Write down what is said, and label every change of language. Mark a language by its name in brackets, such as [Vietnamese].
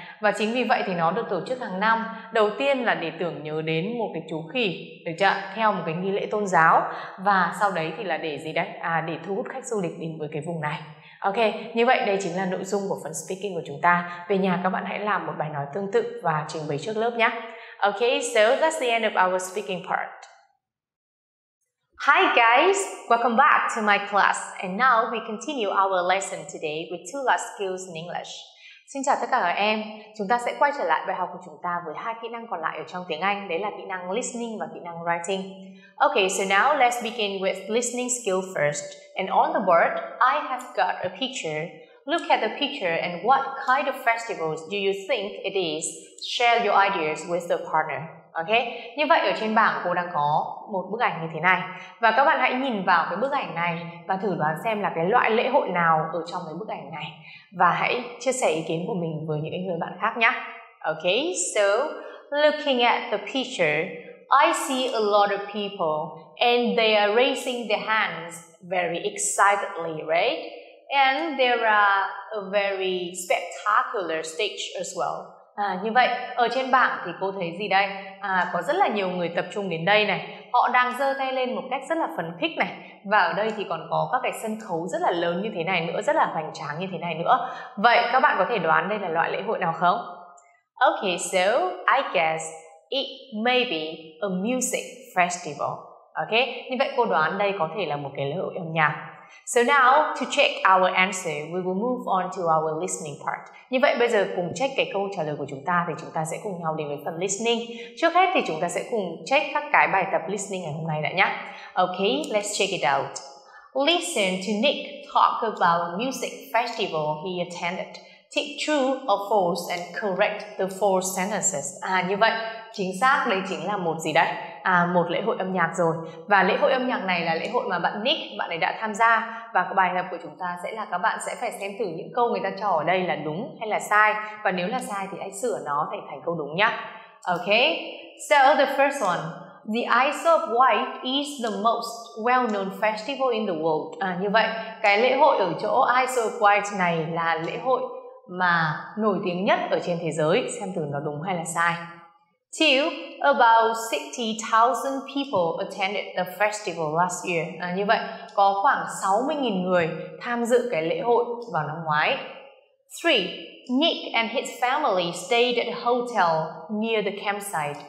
[Vietnamese] Và chính vì vậy thì nó được tổ chức hàng năm. Đầu tiên là để tưởng nhớ đến một cái chú khỉ, được chưa? Theo một cái nghi lễ tôn giáo. Và sau đấy thì là để gì đấy? À, để thu hút khách du lịch đến với cái vùng này. Ok, như vậy đây chính là nội dung của phần speaking của chúng ta. Về nhà các bạn hãy làm một bài nói tương tự và trình bày trước lớp nhé. [English] Ok, so that's the end of our speaking part. Hi guys, welcome back to my class. And now we continue our lesson today with two last skills in English. [Vietnamese] Xin chào tất cả các em. Chúng ta sẽ quay trở lại bài học của chúng ta với hai kỹ năng còn lại ở trong tiếng Anh, đấy là kỹ năng listening và kỹ năng writing. [English] Okay, so now let's begin with listening skill first. And on the board, I have got a picture. Look at the picture and what kind of festivals do you think it is? Share your ideas with the partner. [Vietnamese] Ok, như vậy ở trên bảng cô đang có một bức ảnh như thế này. Và các bạn hãy nhìn vào cái bức ảnh này và thử đoán xem là cái loại lễ hội nào ở trong cái bức ảnh này. Và hãy chia sẻ ý kiến của mình với những người bạn khác nhé. [English] Ok, so looking at the picture, I see a lot of people and they are raising their hands very excitedly, right? And there are a very spectacular stage as well. [Vietnamese] À, như vậy, ở trên bảng thì cô thấy gì đây? À, có rất là nhiều người tập trung đến đây này. Họ đang giơ tay lên một cách rất là phấn khích này. Và ở đây thì còn có các cái sân khấu rất là lớn như thế này nữa, rất là hoành tráng như thế này nữa. Vậy, các bạn có thể đoán đây là loại lễ hội nào không? [English] Okay, so I guess it may be a music festival. [Vietnamese] Okay, như vậy cô đoán đây có thể là một cái lễ hội âm nhạc. [English] So now, to check our answer, we will move on to our listening part. [Vietnamese] Như vậy, bây giờ cùng check cái câu trả lời của chúng ta thì chúng ta sẽ cùng nhau đến với phần listening. Trước hết thì chúng ta sẽ cùng check các cái bài tập listening ngày hôm nay đã nhé. [English] Okay, let's check it out. Listen to Nick talk about a music festival he attended. Take true or false and correct the four sentences. [Vietnamese] À, như vậy, chính xác đây chính là một gì đấy? À, một lễ hội âm nhạc rồi. Và lễ hội âm nhạc này là lễ hội mà bạn Nick, bạn ấy đã tham gia. Và bài tập của chúng ta sẽ là các bạn sẽ phải xem thử những câu người ta cho ở đây là đúng hay là sai. Và nếu là sai thì hãy sửa nó để thành câu đúng nhá. [English] Okay, so the first one. The Ice of White is the most well-known festival in the world. [Vietnamese] À, như vậy, cái lễ hội ở chỗ Ice of White này là lễ hội mà nổi tiếng nhất ở trên thế giới. Xem thử nó đúng hay là sai. [English] Two, about 60,000 people attended the festival last year. [Vietnamese] À, như vậy, có khoảng 60,000 người tham dự cái lễ hội vào năm ngoái. [English] Three, Nick and his family stayed at a hotel near the campsite.